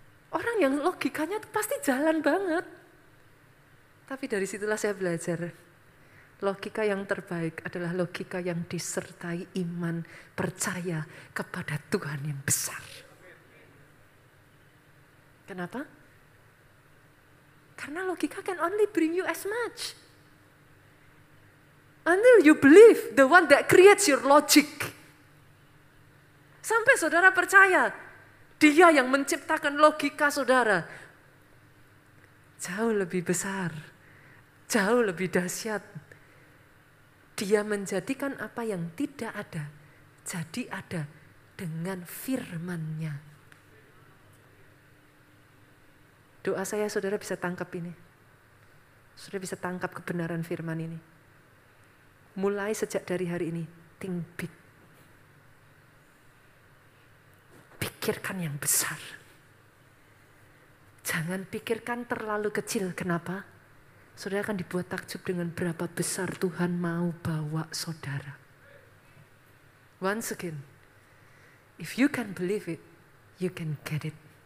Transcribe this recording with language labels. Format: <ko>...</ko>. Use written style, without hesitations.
<id>Orang yang logikanya tuh pasti jalan banget. Tapi dari situlah saya belajar, logika yang terbaik adalah logika yang disertai iman percaya kepada Tuhan yang besar. Kenapa? Karena logika</id> <en>can only bring you as much. Until you believe the one that creates your logic.</en> <id>Sampai saudara percaya, dia yang menciptakan logika saudara jauh lebih besar. Jauh lebih dahsyat. Dia menjadikan apa yang tidak ada jadi ada dengan firman-Nya. Doa saya saudara bisa tangkap ini. Saudara bisa tangkap kebenaran firman ini. Mulai sejak dari hari ini,</id> <en>think big.</en> <id>Pikirkan yang besar. Jangan pikirkan terlalu kecil. Kenapa? Saudara akan dibuat takjub dengan berapa besar Tuhan mau bawa saudara.</id> <en>Once again, if you can believe it, you can get it.</en>